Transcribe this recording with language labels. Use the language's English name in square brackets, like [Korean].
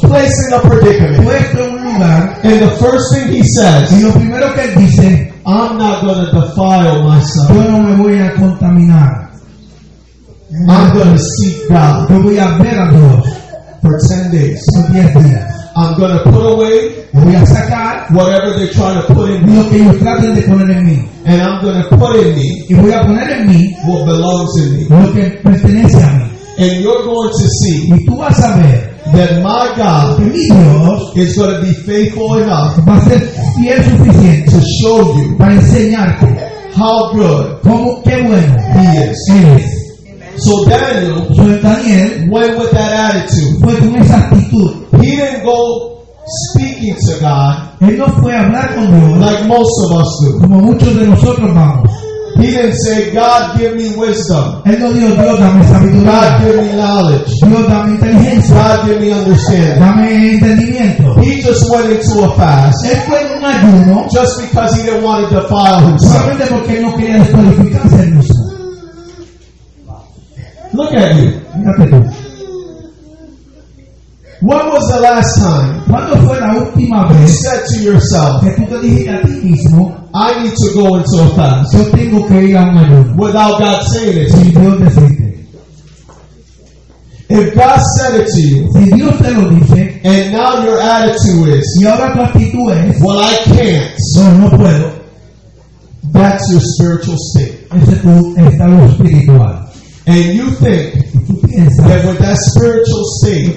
[English] Placed in a predicament. [Spanish] Puesto en un lugar. [English] And the first thing he says. [Spanish] Y lo primero que él dice. [English] I'm not going to defile myself. [Spanish] Yo no me voy a contaminar. [English] I'm going to seek God. [Spanish] Yo voy a ver a Dios. [English] For 10 days. [Spanish] Por 10 días. [English] I'm going to put away, [Spanish] voy a sacar, [English] whatever they're trying to put in me, [Spanish] lo que ellos traten de poner en mí. [English] And I'm going to put in me, [Spanish] y voy a poner en mí, [English] what belongs in me, [Spanish] lo que pertenece a mí. [English] And you're going to see, [Spanish] y tú vas a ver, [English] that my God, [Spanish] que mi Dios, [English] is going to be faithful enough, [Spanish] va a ser fiel suficiente, [English] to show you, [Spanish] para enseñarte, [English] how good, [Spanish] como qué bueno, [English] he is. Amen. So Daniel, went with that attitude. [Spanish] Fue con esa actitud. [English] He didn't go speaking to God, [Spanish] él no fue a hablar con Dios, [English] like most of us do. [Spanish] Como muchos de nosotros vamos. [English] He didn't say, God, give me wisdom. [Spanish] Él no dijo, Dios, dame sabiduría. [English] God, give me knowledge. [Spanish] Dios, dame inteligencia. [English] God, give me understanding. [Spanish] Dame entendimiento. [English] He just went into a fast. [Spanish] Él fue en un ayuno. [English] Just because he didn't want to defile himself. [Spanish] ¿Sabe de por qué no quería desqualificarse él mismo? [English] Look at you. [Spanish] Mírate tú. [English] When was the last time, [Spanish] ¿cuándo fue la última vez, [English] you said to yourself, [Spanish] que tú te dijiste a ti mismo, [English] I need to go into a fast? [Spanish] Yo tengo que ir a un ayuno. [English] Without God saying it to you. If God said it to you, [Spanish] si Dios te lo dice, [English] and now your attitude is, [Spanish] y ahora tu actitud es, [English] well, I can't. [Spanish] No, no puedo. [English] That's your spiritual state. [Spanish] Ese es tu estado espiritual. [English] And you think that with that spiritual state,